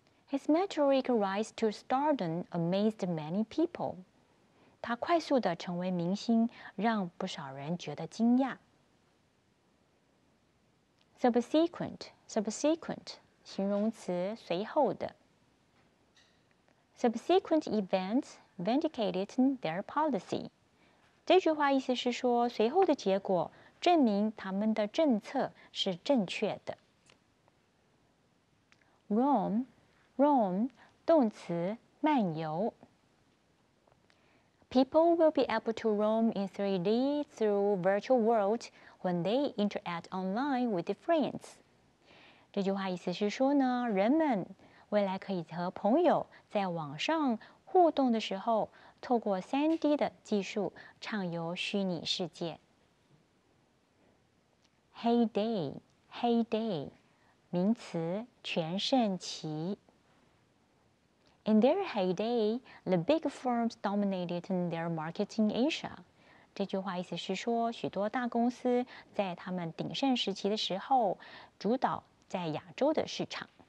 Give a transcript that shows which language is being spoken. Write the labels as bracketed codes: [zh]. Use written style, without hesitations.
[en] His meteoric rise to stardom amazed many people. [zh] 他快速的成为明星，让不少人觉得惊讶。 Subsequent, 形容词，随后的。 [en] Subsequent events vindicated their policy. [zh] 这句话意思是说，随后的结果证明他们的政策是正确的。 Roam, 动词，漫游。 [en] People will be able to roam in 3D through virtual world when they interact online with friends. [zh] 这句话意思是说呢，人们未来可以和朋友在网上互动的时候，透过 3D 的技术畅游虚拟世界。 Heyday, 名词，全盛期。 [en] In their heyday, the big firms dominated their market in Asia. [zh] 这句话意思是说，许多大公司在他们鼎盛时期的时候，主导在亚洲的市场。